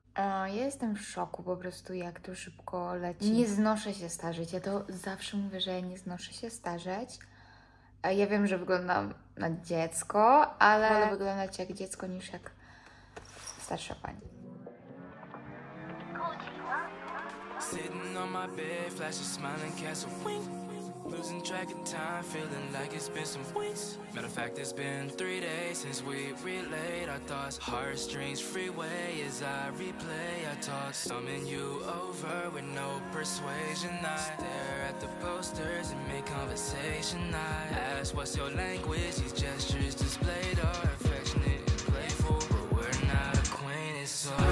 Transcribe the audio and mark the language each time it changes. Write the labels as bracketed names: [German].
[Polish] Ja jestem w szoku po prostu, jak to szybko leci. Nie znoszę się starzeć, ja to zawsze mówię, że ja nie znoszę się starzeć. Ja wiem, że wyglądam na dziecko, ale wolę wyglądać jak dziecko niż jak starsza pani. [English] Sitting on my bed, flashing smiling castle wings. Losing track of time, feeling like it's been some weeks. Matter of fact, it's been 3 days since we relayed our thoughts. Heartstrings freeway as I replay our talks. Summon you over with no persuasion. I stare at the posters and make conversation. I ask what's your language, these gestures displayed are affectionate and playful. But we're not acquainted, so